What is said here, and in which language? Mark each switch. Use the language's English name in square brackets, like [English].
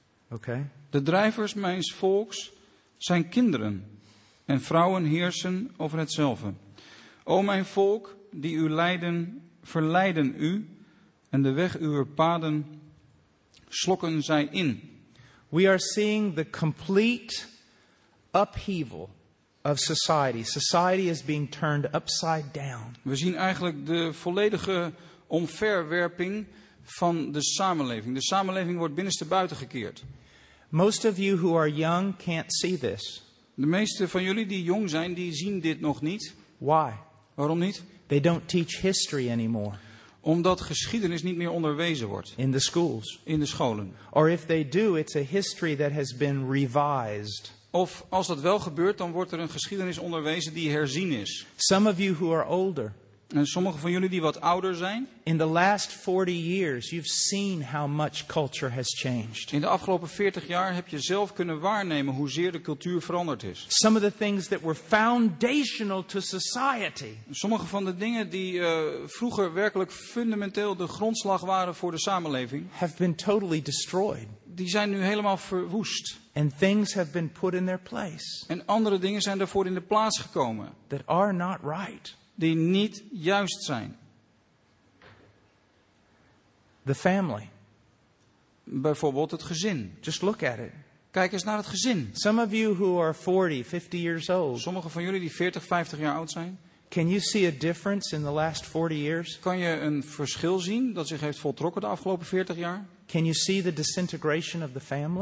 [English] Okay. [Dutch] De drijvers mijns volks zijn kinderen en vrouwen heersen over hetzelfde. O mijn volk, die u leiden, verleiden u en de weg uw paden slokken zij in. [English] We are seeing the complete upheaval of society. Society is being turned upside down. [Dutch] We zien eigenlijk de volledige omverwerping van de samenleving. De samenleving wordt binnenste buiten gekeerd. [English] Most of you who are young can't see this. [Dutch] De meeste van jullie die jong zijn, die zien dit nog niet. [English] Why? [Dutch] Waarom niet? [English] They don't teach history anymore. [Dutch] Omdat geschiedenis niet meer onderwezen wordt. [English] In the schools. [Dutch] In de scholen. [English] Or if they do, it's a history that has been revised. [Dutch] Of als dat wel gebeurt, dan wordt er een geschiedenis onderwezen die herzien is. [English] Some of you who are older. [Dutch] En sommige van jullie die wat ouder zijn. [English] In the last 40 years, you've seen how much culture has changed. [Dutch] In de afgelopen 40 jaar heb je zelf kunnen waarnemen hoezeer de cultuur veranderd is. [English] Some of the things that were foundational to society. [Dutch] Sommige van de dingen die vroeger werkelijk fundamenteel de grondslag waren voor de samenleving. [English] Have been totally destroyed. [Dutch] Die zijn nu helemaal verwoest. [English] And things have been put in their place. [Dutch] En andere dingen zijn daarvoor in de plaats gekomen. [English] That are not right. [Dutch] Die niet juist zijn. [English] The family. [Dutch] Bijvoorbeeld het gezin. [English] Just look at it. [Dutch] Kijk eens naar het gezin. [English] Some of you who are 40, 50 years old. [Dutch] Sommigen van jullie die 40, 50 jaar oud zijn. [English] Can you see a difference in the last 40 years? [Dutch] Kan je een verschil zien dat zich heeft voltrokken de afgelopen 40 jaar? [English] Can you see the disintegration of the family?